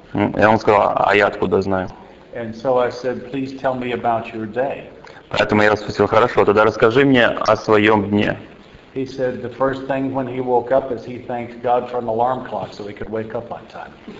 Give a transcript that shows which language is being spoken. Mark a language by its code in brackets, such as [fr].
[ru] И он сказал, а я откуда знаю? [en] And so I said, please tell me about your day. [ru] Поэтому я его спросил, хорошо, тогда расскажи мне о своем дне. [en] He said the first thing when he woke up is he thanked God for an alarm clock so he could wake up on time.